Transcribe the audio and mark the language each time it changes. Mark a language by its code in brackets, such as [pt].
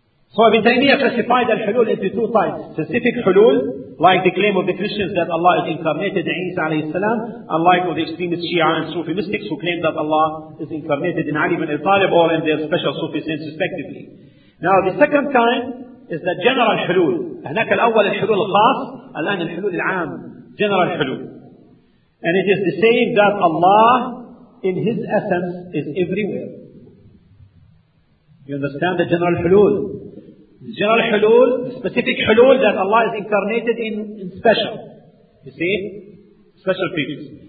[en] So Ibn Taymiyyah classified al-hulul into two types. Specific hulul, like the claim of the Christians that Allah is incarnated in Isa alayhi salam, unlike of the extremist Shia and Sufi mystics who claim that Allah is incarnated in Ali ibn al-Talib or in their special Sufi saints respectively. Now the second kind is the general hulul. [ar] هناك الأول الحلول الخاص الآن الحلول العام [en] general hulul. And it is the same that Allah in His essence is everywhere. You understand the general hulul? The general hulul, the specific hulul that Allah is incarnated in special. You see? Special features.